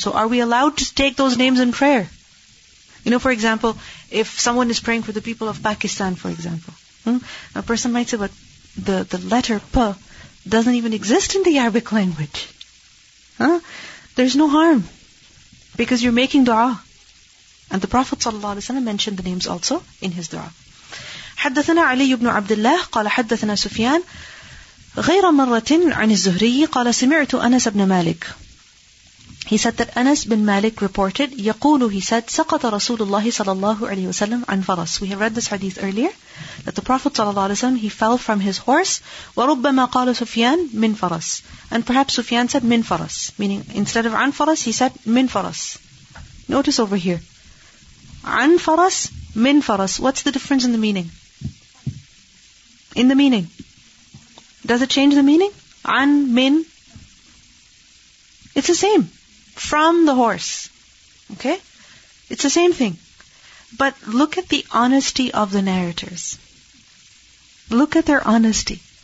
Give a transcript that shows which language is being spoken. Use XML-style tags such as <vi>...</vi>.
<en>So are we allowed to take those names in prayer? You know, for example, if someone is praying for the people of Pakistan, for example, a person might say, but the letter P doesn't even exist in the Arabic language. There's no harm. Because you're making dua. And the Prophet ﷺ mentioned the names also in his dua.</en> <ar>حدثنا علي بن عبد الله قال حدثنا سفيان غير مرة عن الزهري قال سمعت أنس بن مالك</ar> <en>He said that Anas bin Malik reported</en> <ar>يقول</ar> <en>he said</en> <ar>سقط رسول الله صلى الله عليه وسلم عن فرس</ar> <en>We have read this hadith earlier that the Prophet صلى الله عليه وسلم he fell from his horse</en> <ar>وربما قال سفيان من فرس</ar> <en>And perhaps سفيان said</en> <ar>من فرس</ar> <en>meaning instead of</en> <ar>عن فرس</ar> <en>he said من فرس Notice over here عن فرس من فرس What's the difference in the meaning? In the meaning. Does it change the meaning? An, min. It's the same. From the horse. Okay? It's the same thing. But look at the honesty of the narrators. Look at their honesty.</en>